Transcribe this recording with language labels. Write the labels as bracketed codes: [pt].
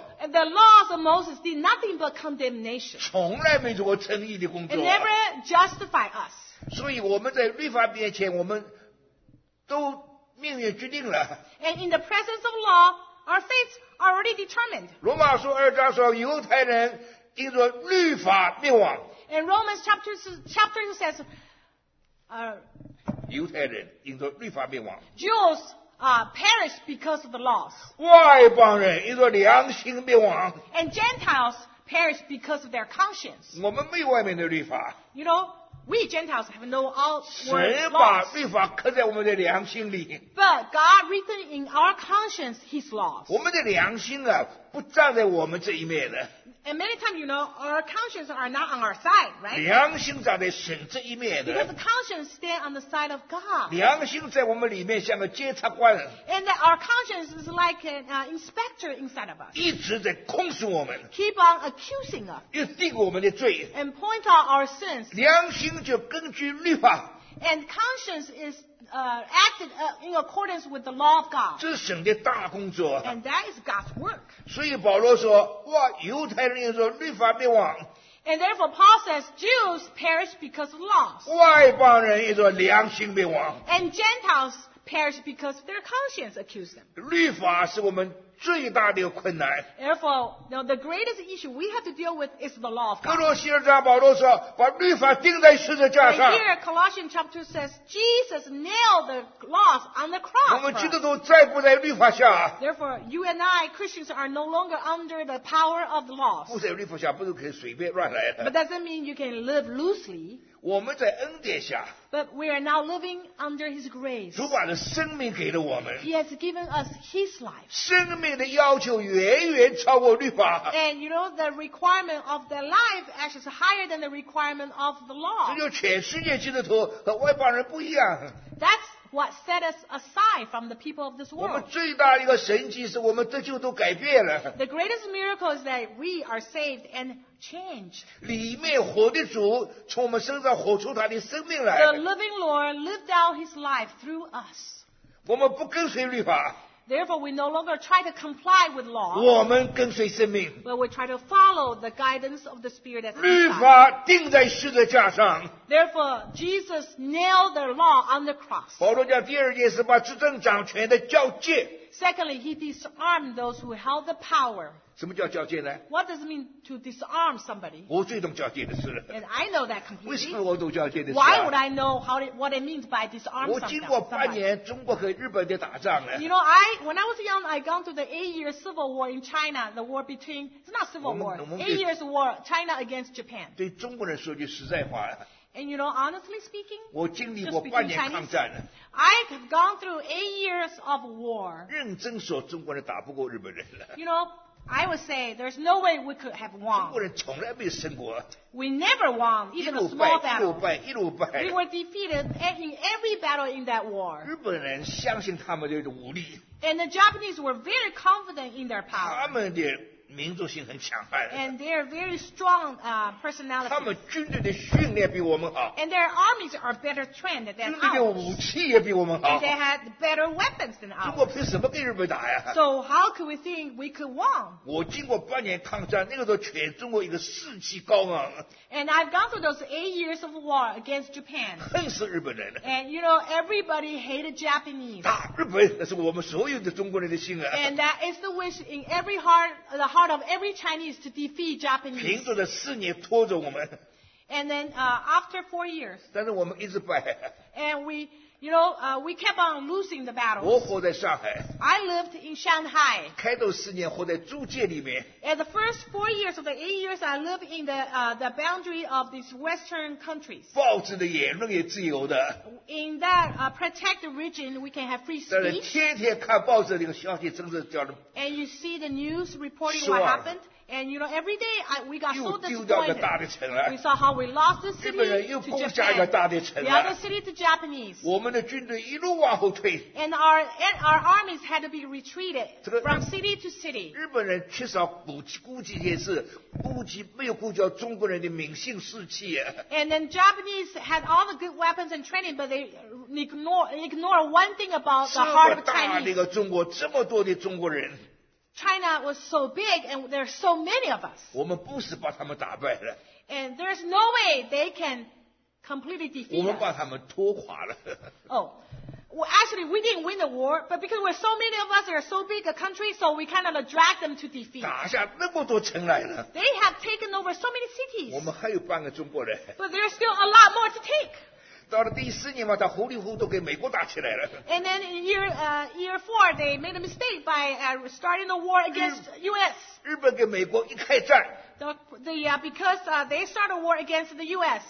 [en] And the laws of Moses did nothing but condemnation. [zh] 从来没做过称义的工作。 [en] It never justified us. [zh] 所以我们在律法面前我们都命运决定了。 [en] And in the presence of law, our fates are already determined. [zh] 罗马书二章说犹太人因着律法灭亡。 [en] And Romans chapter 2 says, [zh] 犹太人因着律法灭亡。 [en] Jews perished because of the laws. [zh] 外邦人因着良心灭亡。 [en] And Gentiles perish because of their conscience. [zh] 我们没有外面的律法。 [en] You know,We Gentiles have no all words laws. But God written in our conscience his laws. [zh] 我们的良心啊，不站在我们这一面的。 [en] And many times, you know, our conscience are not on our side, right? [zh] 良心站在神这一面的。 [en] Because the conscience stand on the side of God. [zh] 良心在我们里面像个监察官。 [en] And that our conscience is like an inspector inside of us. [zh] 一直在控诉我们。 [en] Keep on accusing us. [zh] 又定我们的罪。 [en] And point out our sins. [zh] 良心就根据律法。 [en] And conscience is acted in accordance with the law of God. [zh] 这是神的大工作。 [en] And that is God's work. [zh] 所以保罗说，哇，犹太人说律法灭亡。 [en] And therefore Paul says Jews perish because of laws. [zh] 外邦人也说良心灭亡。 [en] And Gentiles perish because their conscience accused them. [zh] 律法是我们最大的困难。 [en] Therefore, now the greatest issue we have to deal with is the law of God. [zh] 哥罗西二章保罗说，把律法钉在十字架上。 [en] And here, Colossians chapter 2 says, Jesus nailed the law on the cross. [zh] 我们基督徒再不在律法下。 [en] Therefore, you and I, Christians, are no longer under the power of the law. [zh] 不在律法下，不是可以随便乱来的。 [en] But doesn't mean you can live loosely. [zh] 我们在恩典下。 [en] But we are now living under His grace. [zh] 主把的生命给了我们。 [en] He has given us His life. [zh] 生命的要求远远超过律法。 [en] And you know, the requirement of the life actually is higher than the requirement of the law. [zh] 这就全世界基督徒和外邦人不一样。 [en] That's what set us aside from the people of this world. [zh] 我们最大的一个神迹是我们得救都改变了。 [en] The greatest miracle is that we are saved and change. [zh] 里面活的主从我们身上活出他的生命来。 [en] The living Lord lived out his life through us. [zh] 我们不跟随律法。 [en] Therefore, we no longer try to comply with law. [zh] 我们跟随生命。 [en] But we try to follow the guidance of the Spirit as God. [zh] 律法钉在十字架上。 [en] Therefore, Jesus nailed the law on the cross. [zh] 保罗讲第二件事，把执政掌权的交界。 [en] Secondly, he disarmed those who held the power. [zh] 什么叫交界呢？ [en] What does it mean to disarm somebody? [zh] 我最懂交界的事了。 [en] And I know that completely. [zh] 为什么我懂交界的事啊？ [en] Why would I know how what it means by disarm somebody? [zh] 我经过八年中国和日本的打仗了。 [en] You know, when I was young, I gone through the 8-year civil war in China, the war between, it's not civil war, 8 years war, China against Japan. [zh] 对中国人说句实在话。 [en] And you know, honestly speaking, [zh] 我经历过八年抗战了。 [en] I have gone through 8 years of war. [zh] 认真说，中国人打不过日本人了。 [en] You know, I would say there's no way we could have won. [zh] 中国人从来没有胜过。 [en] We never won even a small battle. [zh] 一路败，一路败。 [en] We were defeated in every battle in that war. [zh] 日本人相信他们的武力。 [en] And the Japanese were very confident in their power. [zh] 他们的民族性很强悍。 [en] And they are very strong personality. [zh] 他们军队的训练比我们好。 [en] And their armies are better trained than ours. [zh] 军队的武器也比我们好。 [en] And they had better weapons than ours. [zh] 中国凭什么跟日本打呀？ [en] So how could we think we could win? [zh] 我经过八年抗战，那个时候全中国一个士气高昂。 [en] And I've gone through those 8 years of war against Japan. [zh] 恨死日本人了。 [en] And you know, everybody hated Japanese. [zh] 打日本，那是我们所有的中国人的心啊。 [en] And that is the wish in every heart, the heart of every Chinese to defeat Japanese. [zh] 凭着这四年拖着我们。 [en] And then after 4 years. [zh] 但是我们一直败。 [en] And we, you know, we kept on losing the battles. [zh] 我活在上海。 [en] I lived in Shanghai. [zh] 开头四年活在租界里面。 [en] And the first 4 years of the 8 years, I lived in the boundary of these Western countries. [zh] 报纸的言论也自由的。 [en] In that protected region, we can have free speech. [zh] 但是天天看报纸这个消息，真是叫人。 [en] And you see the news reporting what happened. And you know, every day we got so disappointed. We saw how we lost the city to Japan. The other city to Japanese. [zh] 我们的军队一路往后退。 [en] And our armies had to be retreated from city to city. [zh] 日本人缺少估计也是估计没有估计到中国人的民性士气。 [en] And then Japanese had all the good weapons and training, but they ignore one thing about the heart of Chinese. [zh] 这么大的一个中国，这么多的中国人。 [en] China was so big and there are so many of us. We're not going to beat them. And there's no way they can completely defeated. [zh] 我们把他们拖垮了。 [en] Actually, we didn't win the war, but because we're so many of us, we're so big a country, so we kind of dragged them to defeat. [zh] 打下那么多城来了, [en] they have taken over so many cities. [zh] 我们还有半个中国人, [en] but there's still a lot more to take. [zh] 到了第四年嘛, 他糊里糊涂给美国打起来了, [en] and then in year four, they made a mistake by starting the war against U.S. [zh] 日本跟美国一开战, [en] they started a war against the U.S.